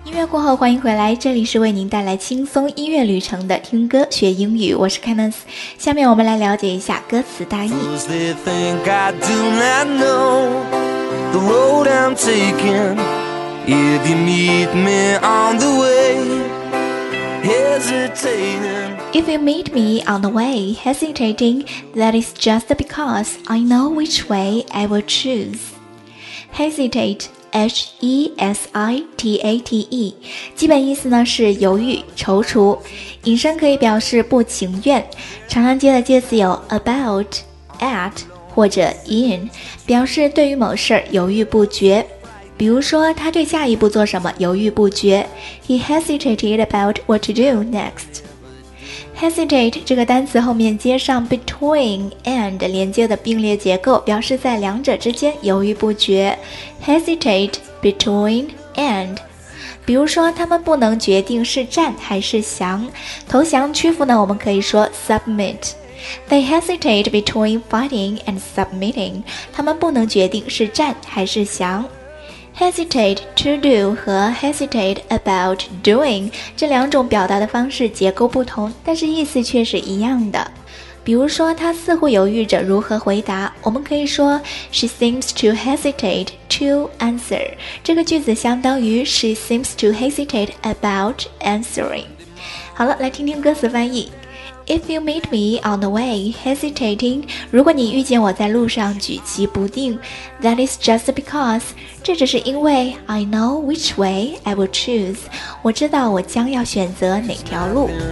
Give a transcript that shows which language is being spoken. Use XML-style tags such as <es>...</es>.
<zh>过后欢迎回来，这里是为您带来轻松音乐旅程的听歌学英语，我是 Kenneth。下面我们来了解一下歌词大意。</zh> <en>Fools, they think I do not know the road I'm taking. If you meet me on the way, hesitating. If you meet me on the way, hesitating, that is just because I know which way I will choose. Hesitate.</en> <zh>H-E-S-I-T-A-T-E 基本意思呢是犹豫、踌躇，引申可以表示不情愿。常常接的介词有 about、 at 或者 in， 表示对于某事犹豫不决。比如说他对下一步做什么犹豫不决，</zh> <en>He hesitated about what to do next.</en> <zh>hesitate 这个单词后面接上 between and 连接的并列结构，表示在两者之间犹豫不决。</zh> <en>hesitate between and。</en> <zh>比如说他们不能决定是战还是降，投降屈服呢我们可以说 submit。</zh> <en>They hesitate between fighting and submitting，</en> <zh>他们不能决定是战还是降。 hesitate to do 和 hesitate about doing 这两种表达的方式结构不同，但是意思却是一样的。比如说他似乎犹豫着如何回答，我们可以说</zh> <en>She seems to hesitate to answer，</en> <zh>这个句子相当于</zh> <en>She seems to hesitate about answering。</en> <zh>好了，来听听歌词翻译。</zh> <en>If you meet me on the way hesitating，</en> <zh>如果你遇见我在路上举棋不定，</zh> <en>That is just because，</en> <zh>这只是因为</zh> <en>I know which way I will choose，</en> <zh>我知道我将要选择哪条路。</zh>